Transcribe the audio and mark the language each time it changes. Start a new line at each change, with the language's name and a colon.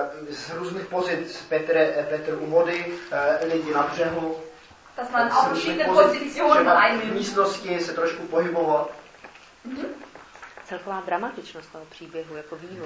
Czech: Z různých pozic, Petr u vody, lidi na břehu.
German: Dass man auch verschiedene Positionen einnimmt.
Czech: V místnosti se trošku pohybovat. Mm-hmm. Celková dramatičnost toho příběhu jako výhoda.